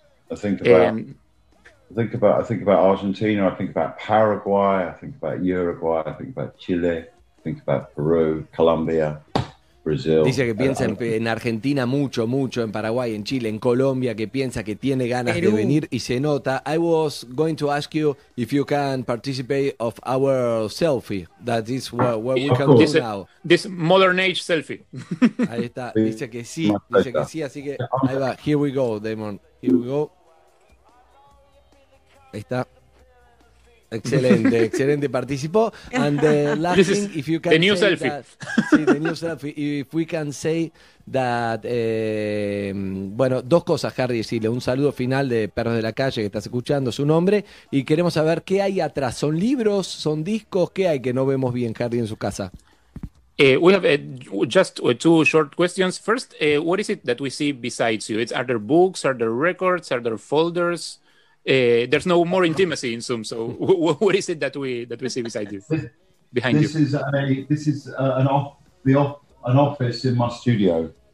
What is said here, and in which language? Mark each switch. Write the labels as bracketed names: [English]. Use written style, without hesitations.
[English] I think about Argentina, I think about Paraguay, I think about Uruguay, I think about Chile, I think about Peru, Colombia, Brasil. [Spanish] Dice que piensa en Argentina mucho, en Paraguay, en Chile, en Colombia, que piensa que tiene ganas de venir y se nota. [English] I was going to ask you if you can participate of our selfie. That is what we can do now. This modern age selfie. [Spanish] Ahí está. Dice que sí. Así que ahí va. [English] Here we go, Damon. Here we go. [Spanish] Ahí está. Excelente. Participó. [English] And the last this thing, if you can the new selfie. The new selfie. If we can say that... [Spanish] bueno, dos cosas, [English] Harry, decirle. [Spanish] Un saludo final de Perros de la Calle, que estás escuchando su nombre. Y queremos saber qué hay atrás. ¿Son libros? ¿Son discos? ¿Qué hay que no vemos bien, Harry, en su casa? [English] We have two short questions. First, what is it that we see besides you? Are there books? Are there records? Are there folders? There's no more intimacy in Zoom. So, what is it that we see beside you, behind this you? This is an office in my studio.